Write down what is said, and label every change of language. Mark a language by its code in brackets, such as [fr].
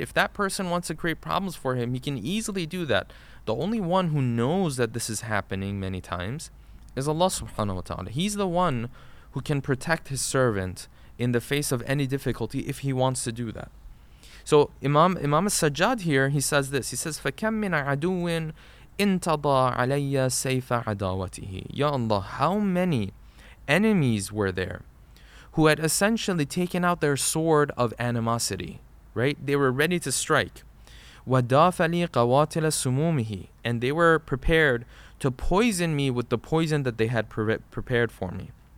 [en] If that person wants to create problems for him, he can easily do that. The only one who knows that this is happening many times is Allah subhanahu wa ta'ala. He's the one who can protect his servant in the face of any difficulty if he wants to do that. So Imam As-Sajjad here, he says this. He says, [ar] فَكَمْ مِنَ عَدُوٍ إِنْتَضَى عَلَيَّ سَيْفَ عَدَاوَتِهِ. [en] Ya Allah, how many enemies were there who had essentially taken out their sword of animosity, right? They were ready to strike. [ar] وَدَافَ لِي قَوَاتِلَ سُمُومِهِ. [en] And they were prepared to poison me with the poison that they had prepared for me.